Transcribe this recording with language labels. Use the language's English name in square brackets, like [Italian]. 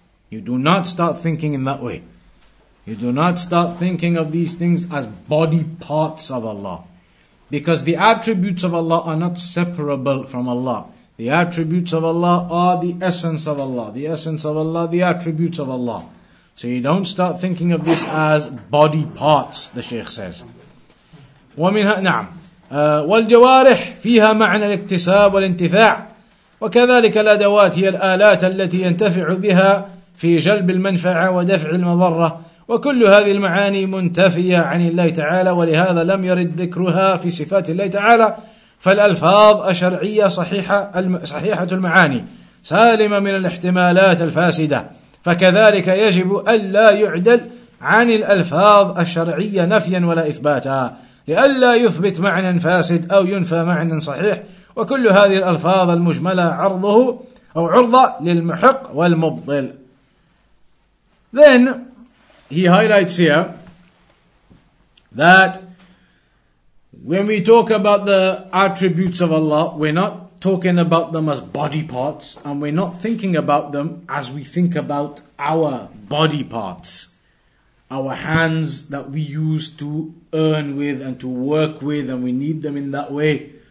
[English] You do not start thinking in that way. You do not start thinking of these things as body parts of Allah. Because the attributes of Allah are not separable from Allah. The attributes of Allah are the essence of Allah. The essence of Allah, the attributes of Allah. So you don't start thinking of this as body parts, the Shaykh says. [Arabic] وَمِنْهَا نَعْمْ وَالْجَوَارِحْ فِيهَا مَعْنَى الْاِكْتِسَابِ وَالْاِنْتِفَاعِ وَكَذَلِكَ الْأَدَوَاتِ هِيَ الْآلَاتَ الَّتِي يَنْتَفِعُ بِهَا فِي جَلْبِ الْمَنْفَعَةِ وَدَفْعِ الْمَضَرَّةِ وكل هذه المعاني منتفية عن الله تعالى ولهذا لم يرد ذكرها في صفات الله تعالى فالألفاظ الشرعية صحيحة المعاني سالمة من الاحتمالات الفاسدة فكذلك يجب ألا يعدل عن الألفاظ الشرعية نفيا ولا إثباتا لئلا يثبت معنى فاسد أو ينفى معنى صحيح وكل هذه الألفاظ المجملة عرضه أو عرضة للمحق والمبطل. [English] Then he highlights here that when we talk about the attributes of Allah, we're not talking about them as body parts, and we're not thinking about them as we think about our body parts, our hands that we use to earn with and to work with, and we need them in that way.